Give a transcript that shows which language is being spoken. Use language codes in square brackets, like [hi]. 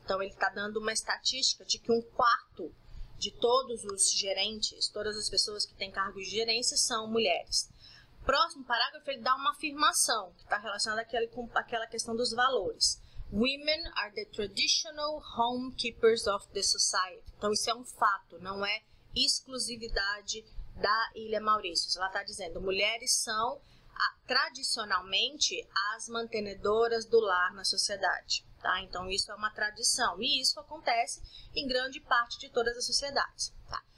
[pt] Então, ele está dando uma estatística de que um quarto de todos os gerentes, todas as pessoas que têm cargos de gerência, são mulheres. Próximo parágrafo, ele dá uma afirmação que está relacionada com aquela questão dos valores. [en] Women are the traditional homekeepers of the society. [pt] Então, isso é um fato, não é exclusividade da Ilha Maurício. Ela está dizendo, mulheres são... tradicionalmente as mantenedoras do lar na sociedade, tá? Então, isso é uma tradição e isso acontece em grande parte de todas as sociedades, tá?